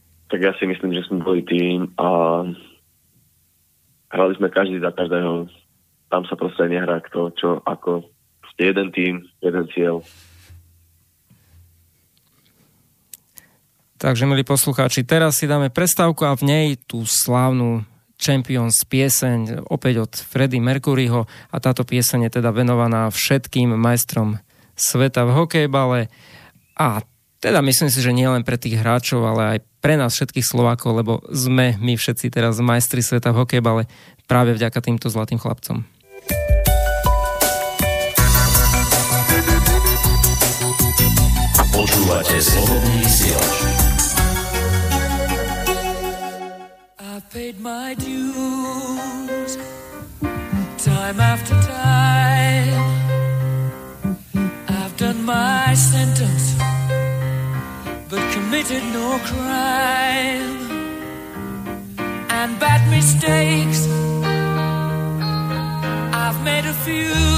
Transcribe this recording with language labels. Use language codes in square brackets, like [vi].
[sk] Tak ja si myslím, že sme boli tým a hrali sme každý za každého. Tam sa proste nehrá kto, čo, ako. Ste jeden tým, jeden cieľ. Takže, milí poslucháči, teraz si dáme prestávku a v nej tú slávnu Champions pieseň opäť od Freddie Mercuryho a táto pieseň je teda venovaná všetkým majstrom sveta v hokejbale a teda myslím si, že nie len pre tých hráčov, ale aj pre nás všetkých Slovákov, lebo sme my všetci teraz majstri sveta v hokejbale práve vďaka týmto zlatým chlapcom. Počúvate Slobodný vysielač. [en] I've paid my dues time after time. I've done my sentence but committed no crime, and bad mistakes I've made a few.